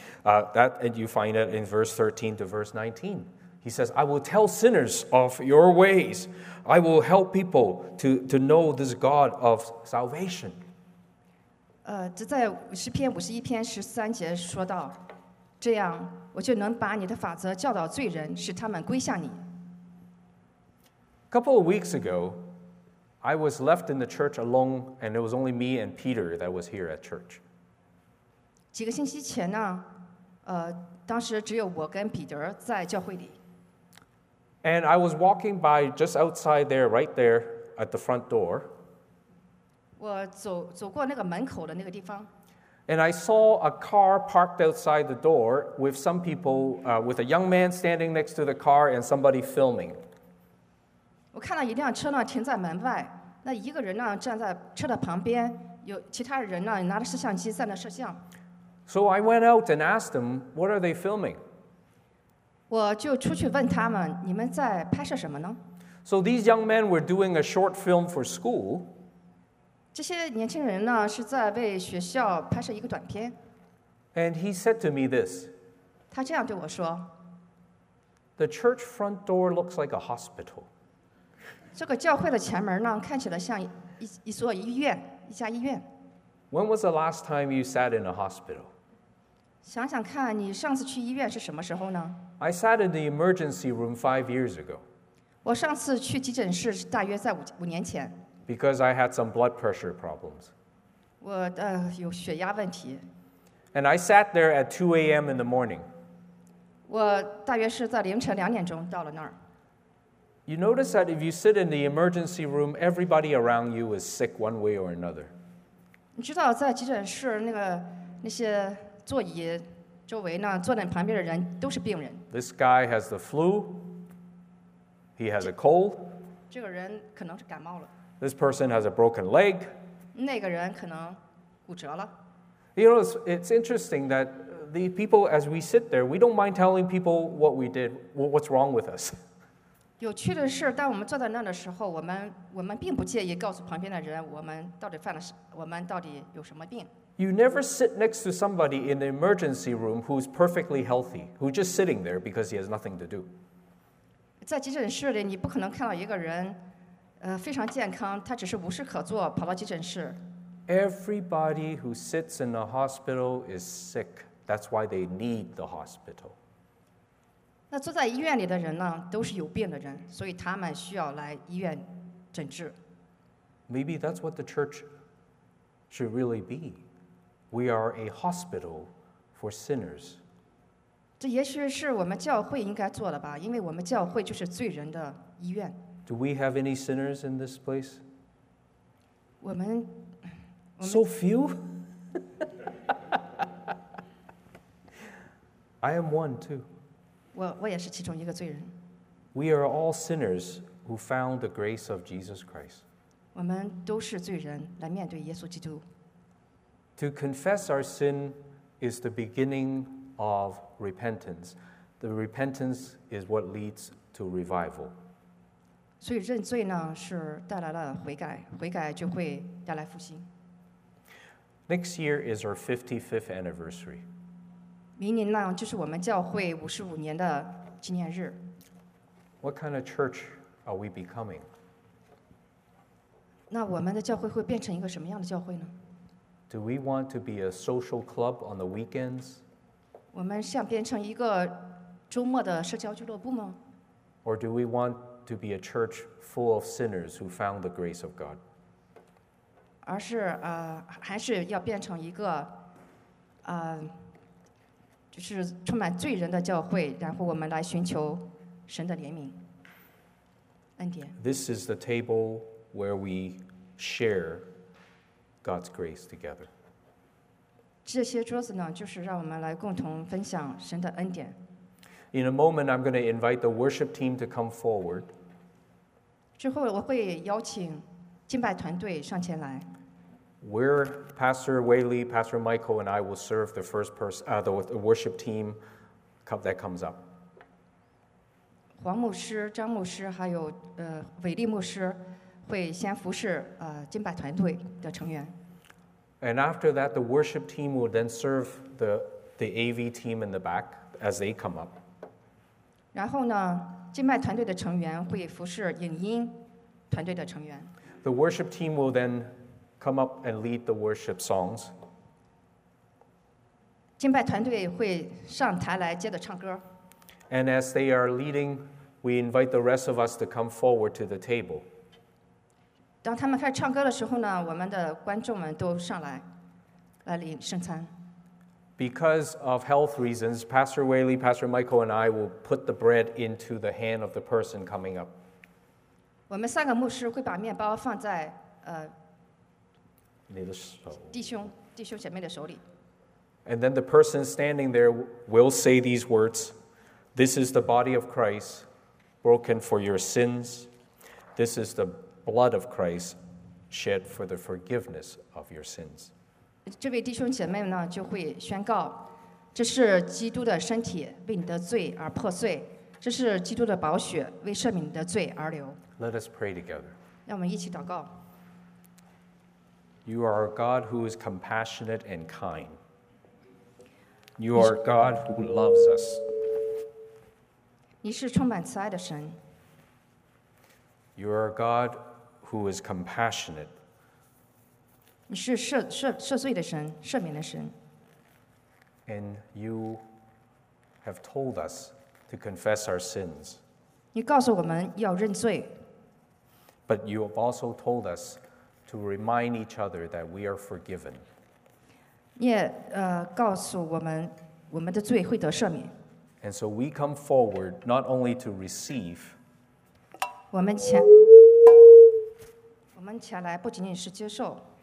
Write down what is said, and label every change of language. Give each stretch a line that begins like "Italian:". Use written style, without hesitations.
English: And you find it in verse 13 to verse 19. He says, I will tell sinners of your ways. I will help people to know this God of salvation.
Chinese: 这在诗篇五十一篇十三节说到，这样我就能把你的法则教导罪人，使他们归向你。
English: A couple of weeks ago, I was left in the church alone, and it was only me and Peter that was here at church.
Chinese: 几个星期前呢，当时只有我跟彼得在教会里。
English: And I was walking by just outside there, right there at the front door.
Chinese: 我走过那个门口的那个地方。
English: And I saw a car parked outside the door with some people, with a young man standing next to the car and somebody filming.
Chinese: 我看到一辆车呢停在门外，那一个人呢站在车的旁边，有其他人呢拿着摄像机在那摄像。
English: So I went out and asked them, "What are they filming?"
Chinese: 我就出去问他们，你们在拍摄什么呢
English: ？So these young men were doing a short film for school.
Chinese: 这些年轻人呢是在为学校拍摄一个短片。
English: And he said to me this.
Chinese: 他这样对我说。
English: The church front door looks like a hospital.
Chinese: 这个教会的前门呢，看起来像一座医院，一家医院。
English: When was the last time you sat in a hospital?
Chinese: 想想看，你上次去医院是什么时候呢
English: ？I sat in the emergency room 5 years ago.
Chinese: 我上次去急诊室大约在五年前。
English: Because I had some blood pressure problems.
Chinese: 我有血压问题。
English: And I sat there at 2 a.m. in the morning.
Chinese: 我大约是在凌晨两点钟到了那儿。
English: You notice that if you sit in the emergency room, everybody around you is sick one way or another.
Chinese: 你知道在急诊室那些座椅周围呢，坐在旁边的人都是病人。
English: This guy has the flu. He has a cold.
Chinese: 这个人可能是感冒了。
English: This person has a broken leg.
Chinese: 那个人可能骨折了。
English: You know, it's interesting that the people, as we sit there, we don't mind telling people what we did, what's wrong with us.
Chinese: 有趣的是，当我们坐在那的时候，我们并不介意告诉旁边的人我们到底有什么病。
English: You never sit next to somebody in the emergency room who's perfectly healthy, who's just sitting there because he has nothing to do.
Chinese: 在急诊室里，你不可能看到一个人，非常健康，他只是无事可做，跑到急诊室。
English: Everybody who sits in a hospital is sick. That's why they need the hospital.
Chinese: 那坐在医院里的人呢，都是有病的人，所以他们需要来医院诊治。
English: Maybe that's what the church should really be. We are a hospital for sinners.
Chinese: 这也许是我们教会应该做的吧，因为我们教会就是罪人的医院。
English: Do we have any sinners in this place?
Chinese: 我们
English: So few? I am one too.
Chinese: 我也是其中一个罪人。
English: We are all sinners who found the grace of Jesus Christ.
Chinese: 我们都是罪人，来面对耶稣基督。
English: To confess our sin is the beginning of repentance. The repentance is what leads to revival.
Chinese: 所以认罪呢，是带来了悔改，悔改就会带来复兴。
English: Next year is our 55th anniversary.
Chinese: 明年呢，就是我们教会五十五年的纪念日。
English: What kind of church are we becoming?
Chinese: 那我们的教会会变成一个什么样的教会呢
English: ？Do we want to be a social club on the weekends?
Chinese: 我们想变成一个周末的社交俱乐部吗
English: ？Or do we want to be a church full of sinners who found the grace of God?
Chinese: 而是还是要变成一个就是充满罪人的教会，然后我们来寻求神的怜悯恩典。
English: This is the table where we share God's grace together.
Chinese: 这些桌子呢，就是让我们来共同分享神的恩典。
English: In a moment, I'm going to invite the worship team to come forward.
Chinese: 之后我会邀请敬拜团队上前来。
English: We're Pastor Wei Li, Pastor Michael, and I will serve the first person, the worship team that comes up.
Chinese: 黄牧师、张牧师还有伟利牧师会先服侍敬拜团队的成员。
English: And after that, the worship team will then serve the AV team in the back as they come up.
Chinese: 然后呢，敬拜团队的成员会服侍影音团队的成员。
English: The worship team will then come up and lead the worship songs.
Chinese: 敬拜团队会上台来接着唱歌。
English: And as they are leading, we invite the rest of us to come forward to the table.
Chinese: 当他们开始唱歌的时候呢，我们的观众们都上来，来领圣餐。
English: Because of health reasons, Pastor Whaley, Pastor Michael, and I will put the bread into the hand of the person coming up.
Chinese: 我们三个牧师会把面包放在你的手，弟兄姐妹的手里。
English: And then the person standing there will say these words: "This is the body of Christ, broken for your sins. This is the blood of Christ shed for the forgiveness of your sins."
Chinese: 这位弟兄姐妹呢就会宣告，这是基督的身体为你的罪而破碎，这是基督的宝血为赦免你的罪而流。
English: Let us pray together.
Chinese: 让我们一起祷告。
English: You are a God who is compassionate and kind. You are a God who loves us.
Chinese: 你是充满慈爱的神。
English: You are a God who is compassionate.
Chinese: 你是赦罪的神，赦免的神。
English: And you have told us to confess our sins.
Chinese: 你告诉我们要认罪。
English: But you have also told us to remind each other that we are forgiven.
Chinese: 你也告诉我们，我们的罪会得赦免。
English: And so we come forward not only to receive.
Chinese: 我们前来不仅仅是接受